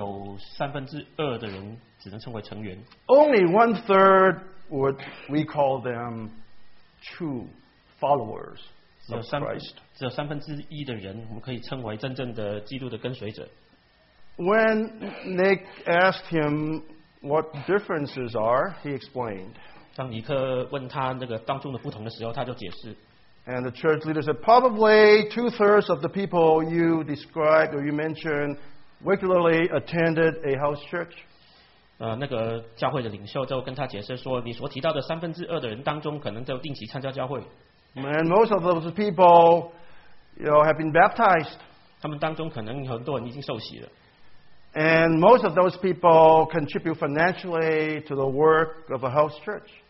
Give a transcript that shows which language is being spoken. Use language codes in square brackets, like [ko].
[zh] 那个在这个培训会后，有一位家庭教会的领袖跟他讲说，在你所提到的这众多的人当中，有三分之二的人只能称为成员。 [en] Only one-third would we call them true followers. [zh] 只有三分之一的人我们可以称为真正的基督的跟随者。 [en] When Nick asked him what differences are, he explained. [zh] 当尼克问他那个当中的不同的时候，他就解释。 [en] And the church leader said, probably two-thirds of the people you described or you mentioned regularly attended a house church. [zh] 那个教会的领袖就跟他解释说，你所提到的三分之二的人当中，可能就定期参加教会。 [en] And most of those people, you know, have been baptized. [zh] 他们当中可能很多人已经受洗了。 [en] And most of those people contribute financially to the work of a house church.